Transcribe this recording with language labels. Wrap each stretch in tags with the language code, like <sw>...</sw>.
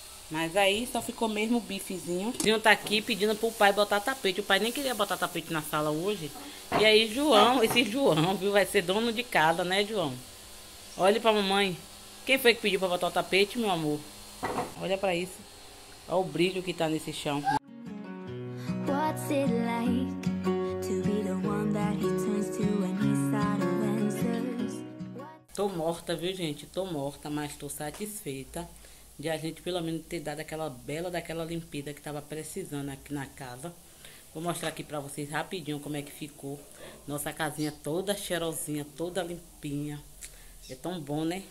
<pt>Mas aí só ficou mesmo o bifezinho. O Zinho tá aqui pedindo pro pai botar tapete, o pai nem queria botar tapete na sala hoje. E aí, João, esse João, viu, vai ser dono de casa, né, João? Olha pra mamãe, quem foi que pediu pra botar o tapete, meu amor? Olha pra isso, olha o brilho que tá nesse chão.</pt> <en>What's it like to be the one that he turns to when he's out of answers?</en> <pt>Tô morta, viu, gente? Tô morta, mas tô satisfeita de a gente pelo menos ter dado aquela bela daquela limpeza que tava precisando aqui na casa. Vou mostrar aqui pra vocês rapidinho como é que ficou. Nossa casinha toda cheirosinha, toda limpinha. É tão bom, né?</pt>